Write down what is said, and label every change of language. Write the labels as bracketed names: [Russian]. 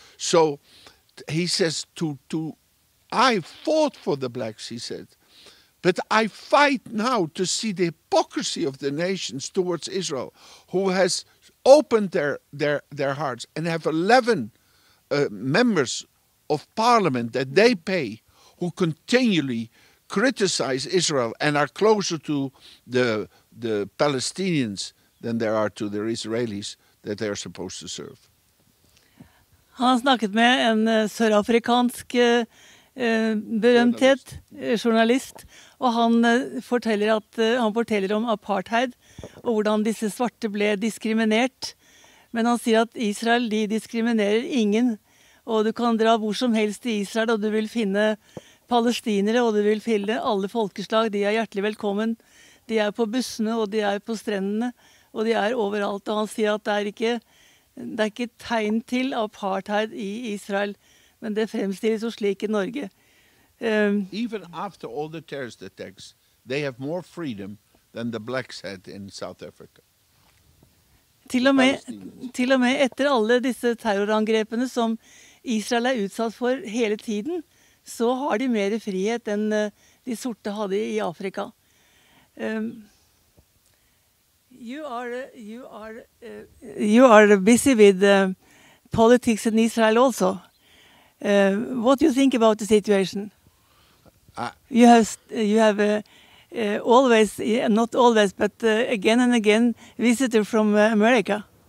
[English] So he says, I fought for the blacks, he said, but I fight now to see the hypocrisy of the nations towards Israel, who has opened their hearts and have 11 members of parliament that they pay, who continually criticize Israel and are closer to the Palestinians than they are to the Israelis that they are supposed to serve. [Norwegian] Han snakket med en sørafrikansk berømthet, journalist, og han forteller om apartheid og hvordan disse svarte ble diskriminert. Men han sier at Israel, de diskriminerer ingen, og du kan dra hvor som helst i Israel og du vil finne palestinere, og du vil finne alle folkeslag. De er hjertelig velkommen. De er på bussene, og de er på strendene, og de er overalt. Og han sier at det er ikke tegn til apartheid i Israel, men det fremstilles jo slik i Norge. [English] Even after all the terrorist attacks, they have more freedom than the blacks had in South Africa. [Norwegian] Til og med etter alle disse terrorangrepene som Israel er utsatt for hele tiden, så har de mer frihet enn de sorte hadde i Afrika. [English] You are busy with politics in Israel also. What do you think about the situation? You have always, not always, but again and again, visitor from America.